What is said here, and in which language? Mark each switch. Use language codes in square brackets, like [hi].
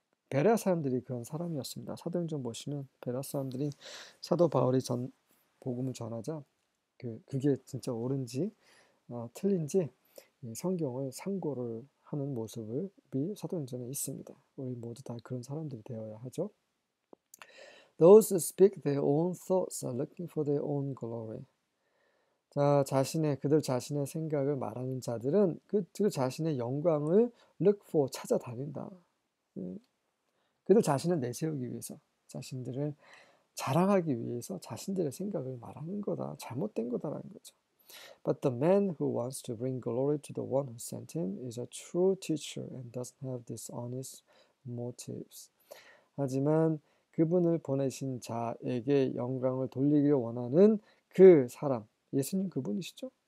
[ko] 베레아 사람들이 그런 사람이었습니다. 사도행전 보시면 베레아 사람들이 사도 바울이 복음을 전하자 그게 진짜 옳은지 틀린지 성경을 상고를 하는 모습이 사도행전에 있습니다. 우리 모두 다 그런 사람들이 되어야 하죠. [en] Those who speak their own thoughts are looking for their own glory. [ko] 자, 그들 자신의 생각을 말하는 자들은 그 자신의 영광을 look for, 찾아다닌다. 그들 자신을 내세우기 위해서, 자신들을 자랑하기 위해서 자신들의 생각을 말하는 거다. 잘못된 거다라는 거죠. [en] But the man who wants to bring glory to the one who sent him is a true teacher and doesn't have dishonest motives. [ko] 하지만 그분을 보내신 자에게 영광을 돌리기를 원하는 그 사람, 예수님 그분이시죠?